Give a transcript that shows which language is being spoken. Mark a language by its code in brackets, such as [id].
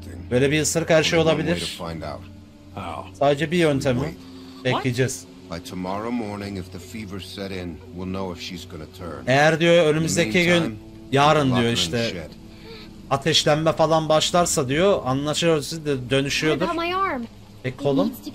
[tr] Böyle bir ısırık her şey olabilir. Sadece bir yöntemi. Bekleyeceğiz. [en] By tomorrow morning if the fever set in, we'll know if she's gonna turn. [tr] Eğer diyor önümüzdeki gün, yarın diyor işte ateşlenme falan başlarsa diyor, anlaşılırsa da dönüşüyordur. Peki kolum?